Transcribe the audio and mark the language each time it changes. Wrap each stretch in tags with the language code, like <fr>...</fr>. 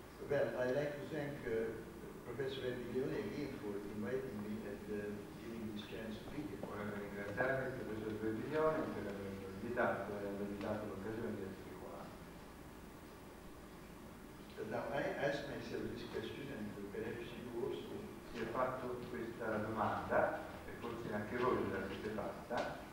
<en>Well, I'd like to thank Professor Epiglione again for inviting me and giving this chance to speak.</en> <it>Vorrei ringraziare il professor Epiglione per avermi invitato e avermi dato l'occasione di essere qua.</it> <en>Now, I ask myself this question and perhaps you also.</en> <it>Si è fatto questa domanda e forse anche voi l'avete fatta.</it>